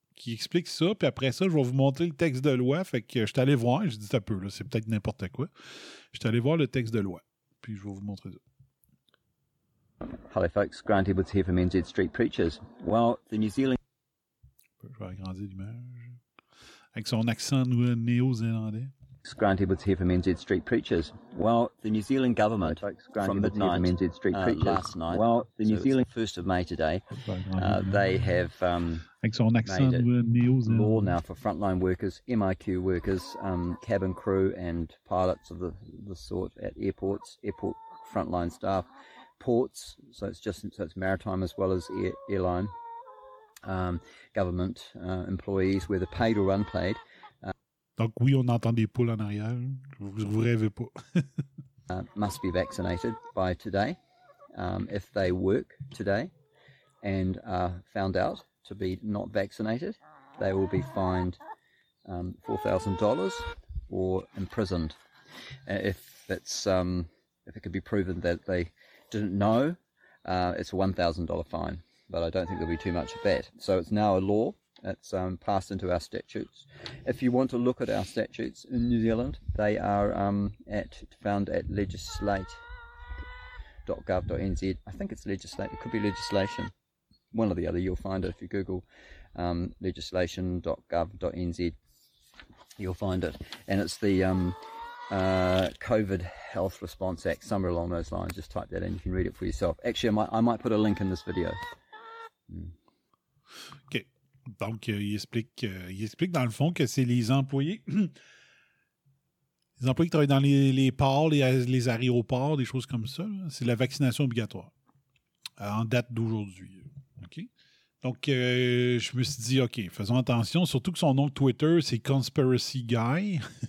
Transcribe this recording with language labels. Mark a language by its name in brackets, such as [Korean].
[French] Qui explique ça, puis après ça, je vais vous montrer le texte de loi. Fait que je suis allé voir, j'ai dit un peu, là, c'est peut-être n'importe quoi. Je suis allé voir le texte de loi, puis je vais vous montrer ça. [English] Hello, folks. Grant Edwards here from NZ Street Preachers. Well, the New Zealand. [French] Je vais agrandir l'image. Avec son accent néo-zélandais. [English] folks, Grant Edwards here from NZ Street Preachers. Well, the New Zealand government New Zealand 1st of May today, they have made it law now for frontline workers, MIQ workers, cabin crew and pilots of the sort at airports, airport frontline staff, ports, so it's maritime as well as airline, government employees, whether paid or unpaid. [French] Donc oui, on entend des poules en arrière. Vous rêvez pas. [English] must be vaccinated by today, if they work today and are found out to be not vaccinated, they will be fined $4,000 or imprisoned. If it could be proven that they didn't know, it's a $1,000 fine. But I don't think there'll be too much of that. So it's now a law. It's passed into our statutes. If you want to look at our statutes in New Zealand, they are found at legislate.gov.nz. I think it's legislate. It could be legislation. One or the other. You'll find it if you Google legislation.gov.nz. You'll find it. And it's the COVID Health Response Act, somewhere along those lines. Just type that in. You can read it for yourself. Actually, I might put a link in this video. OK. [French] Donc, il explique dans le fond que c'est les employés qui travaillent dans les ports, les aéroports, des choses comme ça, là, c'est la vaccination obligatoire en date d'aujourd'hui. OK? Donc, je me suis dit, OK, faisons attention, surtout que son nom Twitter, c'est Conspiracy Guy.